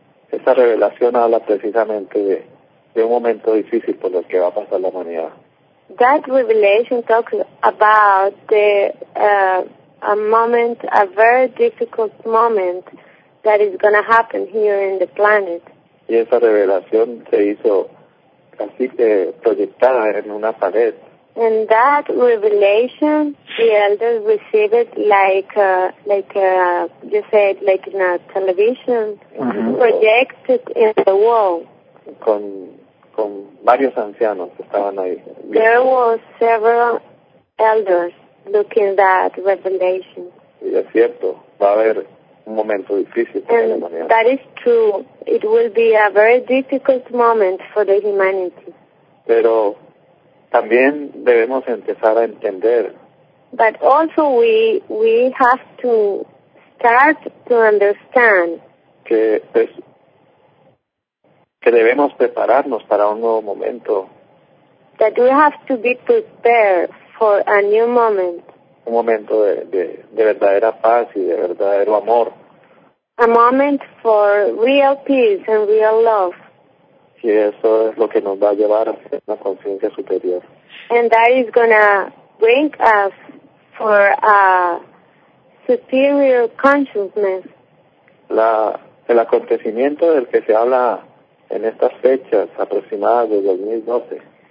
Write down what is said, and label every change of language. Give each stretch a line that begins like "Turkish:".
Spanish: Esa revelación habla precisamente de un momento difícil por el que va a pasar la humanidad.
English: That revelation talks about the a moment, a very difficult moment that is going to happen here in the planet.
Spanish: Y esa revelación se hizo casi proyectada en una pared.
English: And that revelation, the elders received it like in a television, mm-hmm. projected in the wall.
Spanish: Con varios ancianos estaban ahí.
English: There were several elders looking that revelation.
Spanish: Y es cierto, va a haber un momento difícil para la humanidad.
English: That is true. It will be a very difficult moment for the humanity.
Spanish: Pero también debemos empezar a entender.
English: But also we have to start to understand
Spanish: que debemos prepararnos para un nuevo momento.
English: That we have to be prepared for a new moment.
Spanish: Un momento de verdadera paz y de verdadero amor.
English: A moment for real peace and real love.
Spanish: Y eso es lo que nos va a llevar a una conciencia superior.
English: And that is going to bring us for a superior consciousness.
Spanish: El acontecimiento del que se habla en estas fechas aproximadas de 2012.